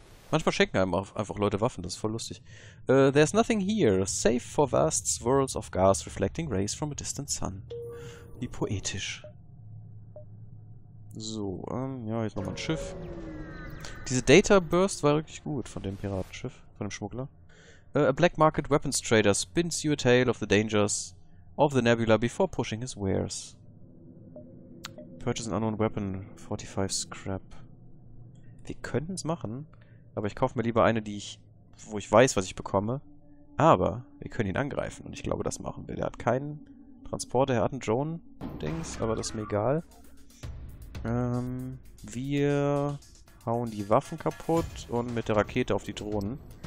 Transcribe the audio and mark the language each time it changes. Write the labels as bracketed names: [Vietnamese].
[German] Manchmal schenken einem auch einfach Leute Waffen, das ist voll lustig. [English] There's nothing here, save for vast swirls of gas reflecting rays from a distant sun. [German] Wie poetisch. So, ja, jetzt nochmal ein Schiff. Diese Data Burst war wirklich gut von dem Piratenschiff, von dem Schmuggler. [English] A black market weapons trader spins you a tale of the dangers of the nebula before pushing his wares. Purchase an unknown weapon, 45 scrap. [German] Wir könnten es machen, aber ich kaufe mir lieber eine, die ich, wo ich weiß, was ich bekomme. Aber wir können ihn angreifen und ich glaube, das machen wir. Der hat keinen Transporter, er hat einen Drone-Dings, aber das ist mir egal. Wir hauen die Waffen kaputt und mit der Rakete auf die Drohnen.